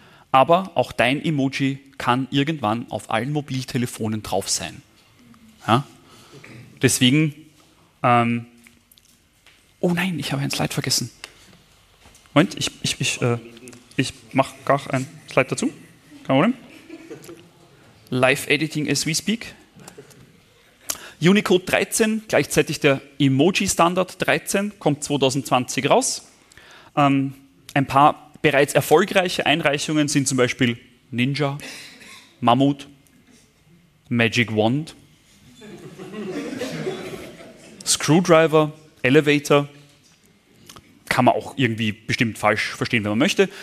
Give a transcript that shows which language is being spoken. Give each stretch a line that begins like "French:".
German: Aber auch dein Emoji kann irgendwann auf allen Mobiltelefonen drauf sein. Ja? Deswegen, oh nein, ich habe ein Slide vergessen. Moment, ich mache gar ein Slide dazu. Kein Problem.
English: Live editing as we speak.
German: Unicode 13, gleichzeitig der Emoji-Standard 13, kommt 2020 raus. Ein paar bereits erfolgreiche Einreichungen sind zum Beispiel Ninja, Mammut, Magic Wand, Screwdriver, Elevator, kann man auch irgendwie bestimmt falsch verstehen, wenn man möchte.